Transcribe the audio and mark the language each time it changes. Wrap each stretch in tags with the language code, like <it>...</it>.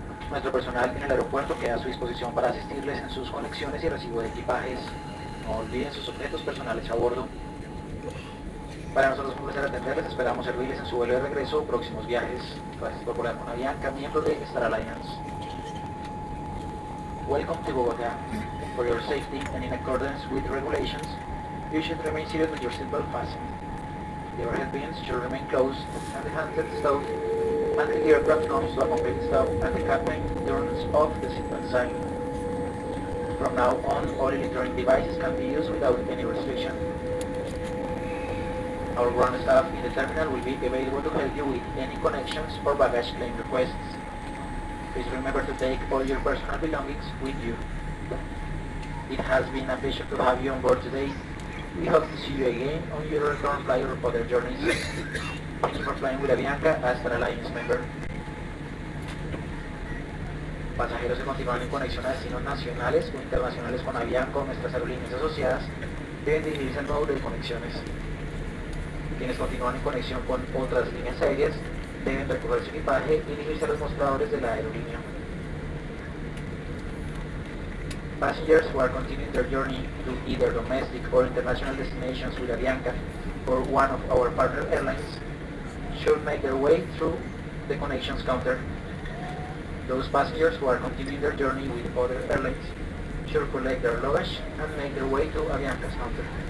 <es>Nuestro personal en el aeropuerto queda a su disposición para asistirles en sus conexiones y recibo de equipajes. No olviden sus objetos personales a bordo. Para nosotros es un placer atenderles, esperamos servirles en su vuelo de regreso o próximos viajes. Gracias por volar con Avianca, miembro de Star Alliance.</es> <en>Welcome to Bogotá. For your safety and in accordance with regulations, you should remain seated with your seatbelt fastened. Your headbands should remain closed and the handset stowed until the aircraft comes to a complete stop and the captain turns off the seatbelt sign. From now on, all electronic devices can be used without any restriction. Our ground staff in the terminal will be available to help you with any connections or baggage claim requests. Please remember to take all your personal belongings with you. It has been a pleasure to have you on board today. We hope to see you again on your return flight or other journeys. Thank you for flying with Avianca as an Alliance member.</en> <es>Pasajeros que continúan en conexión a destinos nacionales o internacionales con Avianca o nuestras aerolíneas asociadas deben dirigirse al módulo de conexiones. Quienes continúan en conexión con otras líneas aéreas deben recoger su equipaje y dirigirse a los mostradores de la aerolínea.</es> <en>Passengers who are continuing their journey to either domestic or international destinations with Avianca or one of our partner airlines should make their way through the connections counter. Those passengers who are continuing their journey with other airlines should collect their luggage and make their way to Avianca's counter.</en>